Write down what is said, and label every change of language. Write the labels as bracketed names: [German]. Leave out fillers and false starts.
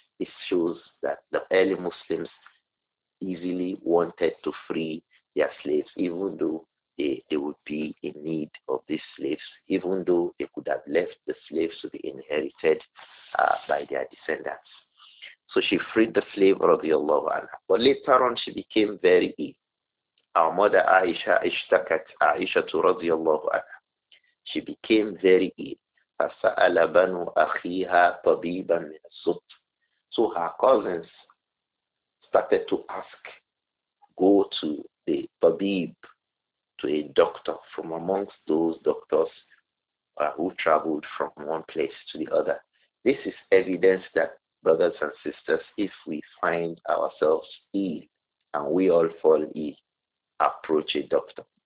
[English] It shows that the early Muslims easily wanted to free their slaves, even though they would be in need of these slaves, even though they could have left the slaves to be inherited by their descendants. So she freed the slave, radiallahu anha. But later on, she became very ill. Our mother Aisha, ishtakat Aisha to radiallahu anha. She became very ill. [Arabic] فسأل بنو أخيها طبيبا من الزبط. [English] So her cousins started to ask, go to the tabib, to a doctor from amongst those doctors who traveled from one place to the other. This is evidence that, brothers and sisters, if we find ourselves ill and we all fall ill, approach a doctor.